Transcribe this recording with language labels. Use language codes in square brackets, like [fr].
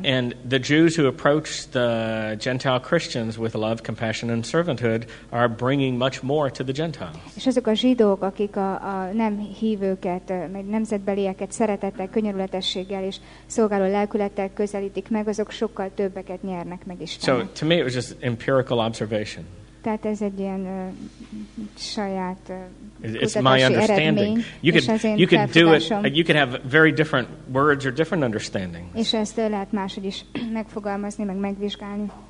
[en] And the Jews who approach the Gentile Christians with love, compassion and servanthood are bringing much more to the Gentiles. [hu] És azok a zsidók, akik a nem hívőket, meg nemzetbelieket szeretettel, könyörületességgel és szolgáló lelkülettel közelítik meg, azok sokkal többeket nyernek meg Istennek. [en] So to me it was just empirical observation. [hu] Tehát ez egy ilyen saját [en] it's my understanding. You could do it. You could have very different words or different understandings. [hu] És ezt lehet máshogy is megfogalmazni, meg megvizsgálni.